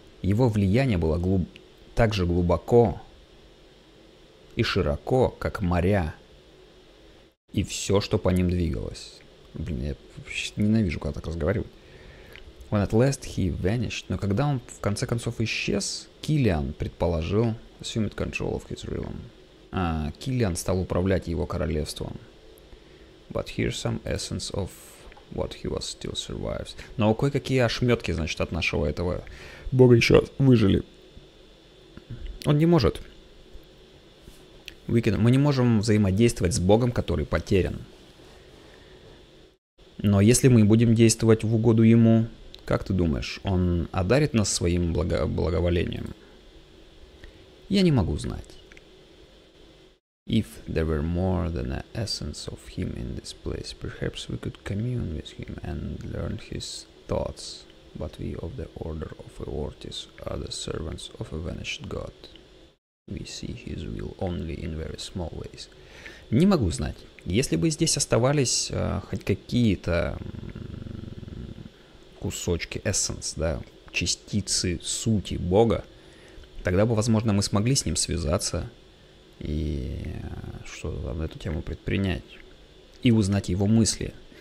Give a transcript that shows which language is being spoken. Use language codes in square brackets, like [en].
[ru] его влияние было так же глубоко и широко, как моря, и все, что по ним двигалось. Блин, я ненавижу, когда так разговаривают. [en] When at last he vanished. [ru] Но когда он в конце концов исчез, Киллиан предположил [en] assumed control of his realm. [ru] Киллиан стал управлять его королевством. [en] But here's some essence of what he was still survives. [ru] Но кое-какие ошметки, значит, от нашего этого бога еще выжили. Он не может. Мы не можем взаимодействовать с богом, который потерян. Но если мы будем действовать в угоду ему, как ты думаешь, он одарит нас своим благоволением? Я не могу знать. [en] If there were more than an essence of him in this place, perhaps we could commune with him and learn his thoughts. But we of the order of Aortis are the servants of a vanished god. We see his will only in very small ways. [ru] Не могу знать. Если бы здесь оставались хоть какие-то кусочки essence, да, частицы сути бога, тогда бы, возможно, мы смогли с ним связаться и что-то на эту тему предпринять и узнать его мысли.